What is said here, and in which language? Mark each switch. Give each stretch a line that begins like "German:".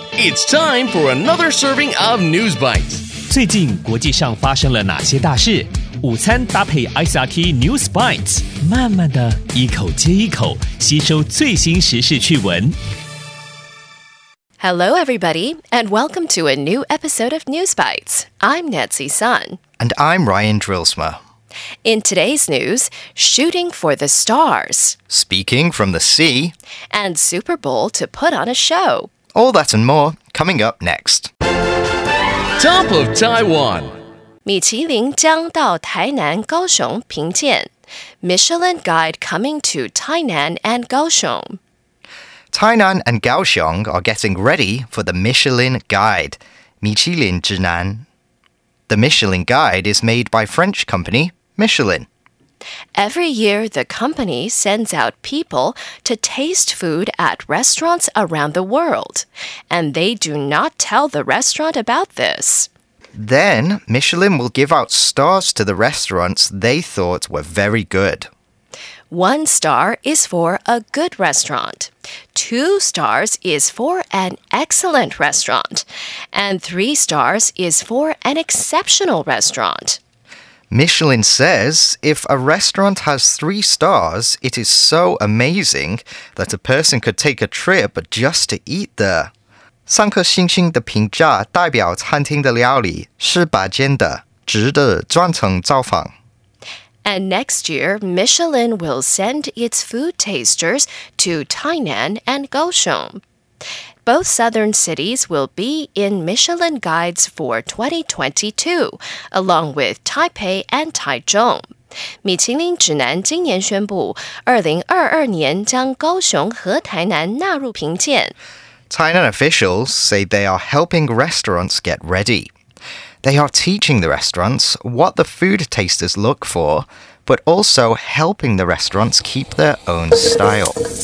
English: It's time for another serving of News Bites.
Chinese: 最近国际上发生了哪些大事？午餐搭配 ICRT News Bites， 慢慢的一口接一口，吸收最新时事趣闻。
English: Hello, everybody, and welcome to a new episode of News Bites. I'm Nancy Sun. And I'm Ryan Drilsma. In today's news, shooting for the stars. Speaking from the sea. And Super Bowl to put on a show. All that and more, coming up next. Top of Taiwan.
Chinese: 米其林将到台南高雄评鉴。
English: Michelin Guide coming to Tainan and Kaohsiung. Tainan and Kaohsiung are getting ready for the Michelin Guide, Michilin Zhinan. The Michelin Guide is made by French company Michelin. Every year, the company sends out people to taste food at restaurants around the world, and they do not tell the restaurant about this. Then, Michelin will give out stars to the restaurants they thought were very good. One star is for a good restaurant. Two stars is for an excellent restaurant. And three stars is for an exceptional restaurant. Michelin says if a restaurant has three stars, it is so amazing that a person could take a trip just to eat there.
Chinese: 三颗星星的评价代表餐厅的料理是拔尖的，值得专程造访。
English: And next year, Michelin will send its food tasters to Tainan and Kaohsiung. Both southern cities will be in Michelin Guides for 2022, along with Taipei and Taichung.
Chinese: 米其林指南今年宣布2022年将高雄和台南纳入评鉴。
English: Tainan officials say they are helping restaurants get ready. They are teaching the restaurants what the food tasters look for, but also helping the restaurants keep their own style.